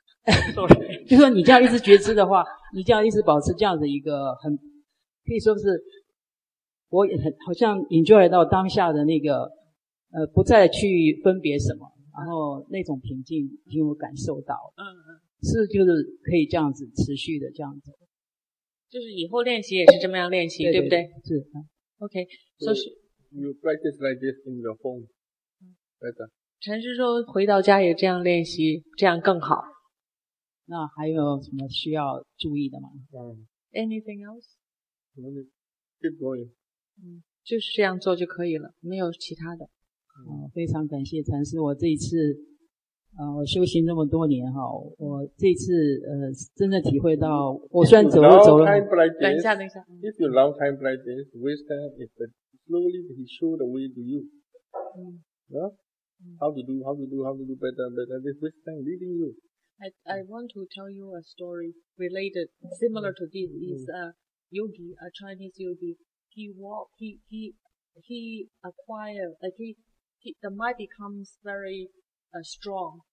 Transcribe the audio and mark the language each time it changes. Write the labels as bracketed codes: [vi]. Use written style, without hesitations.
[zh] 就是说你这样一直觉知的话，你这样一直保持这样的一个很，可以说是我很好像 enjoy 到当下的那个不再去分别什么，然后那种平静已经有感受到，是就是可以这样子持续的这样子，就是以后练习也是这么样练习。对不对？是 [en] OK。 So you practice like this in your home better。 [zh] 禅师说回到家也这样练习，这样更好。那还有什么需要注意的吗？ [en] Anything else? Keep going. [zh] 就是这样做就可以了，没有其他的。非常感谢禅师，我这一次我修行这么多年齁，我这一次真的体会到，我虽然走了。等一下等一下。 [en] If you long time like this, wisdom is slowly he show the way to you. How to do better, this wisdom leading you. I want to tell you a story related, similar to this. Is a yogi, a Chinese yogi. He walk, he acquire, like he, the mind becomes very strong.